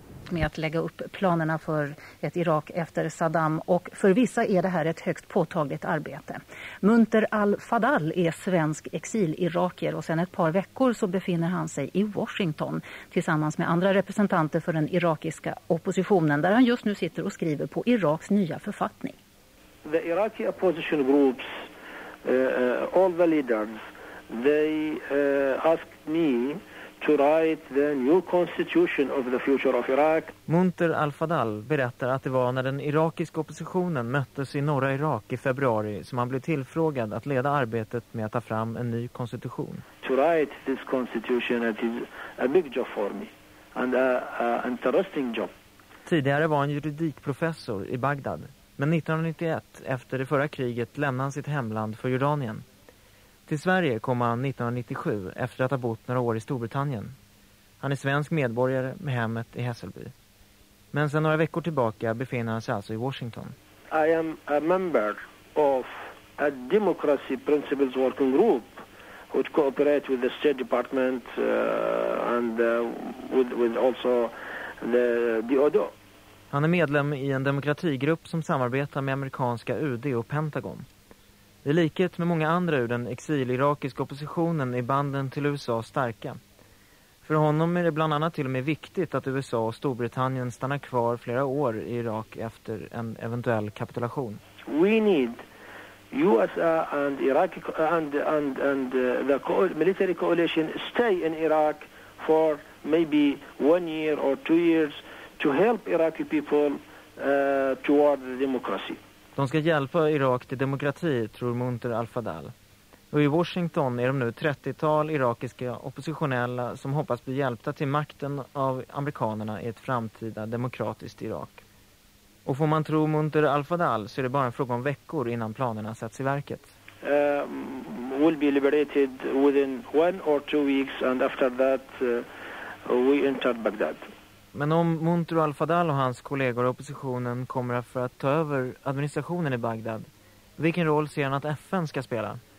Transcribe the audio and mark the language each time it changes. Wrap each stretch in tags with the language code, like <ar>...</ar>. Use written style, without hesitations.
<sv>Med att lägga upp planerna för ett Irak efter Saddam, och för vissa är det här ett högst påtagligt arbete. Munter al-Fadal är svensk exilirakier och sedan ett par veckor så befinner han sig i Washington tillsammans med andra representanter för den irakiska oppositionen, där han just nu sitter och skriver på Iraks nya författning.</sv> <en>The Iraqi opposition groups, all the leaders, they asked me to write the new constitution of the future of Iraq.</en> <sv>Munter al-Fadal berättar att det var när den irakiska oppositionen möttes i norra Irak i februari som han blev tillfrågad att leda arbetet med att ta fram en ny konstitution.</sv> <en>To write this constitution, it is a big job for me and an interesting job.</en> <sv>Tidigare var han juridikprofessor i Bagdad, men 1991 efter det förra kriget lämnade han sitt hemland för Jordanien. Till Sverige kom han 1997 efter att ha bott några år i Storbritannien. Han är svensk medborgare med hemmet i Hässelby. Men sedan några veckor tillbaka befinner han sig alltså i Washington.</sv> <en>I am a member of a democracy principles working group which cooperate with the State Department and with also the DOD.</en> <sv>Han är medlem i en demokratigrupp som samarbetar med amerikanska UD och Pentagon. I likhet med många andra ur den exilirakiska oppositionen är banden till USA starka. För honom är det bland annat till och med viktigt att USA och Storbritannien stannar kvar flera år i Irak efter en eventuell kapitulation.</sv> <en>We need USA and Iraq and the military coalition stay in Iraq for maybe 1 year or 2 years to help Iraqi people toward democracy.</en> <sv>De ska hjälpa Irak till demokrati, tror Munter al-Fadal. Och i Washington är de nu 30-tal irakiska oppositionella som hoppas bli hjälpta till makten av amerikanerna i ett framtida demokratiskt Irak. Och får man tro Munter al-Fadal så är det bara en fråga om veckor innan planerna sätts i verket.</sv> <en>We'll be liberated within 1 or 2 weeks and after that we entered Baghdad.</en> <sv>Men om Munter al-Fadal och hans kollegor i oppositionen kommer för att ta över administrationen i Bagdad, vilken roll ser han att FN ska spela?</sv>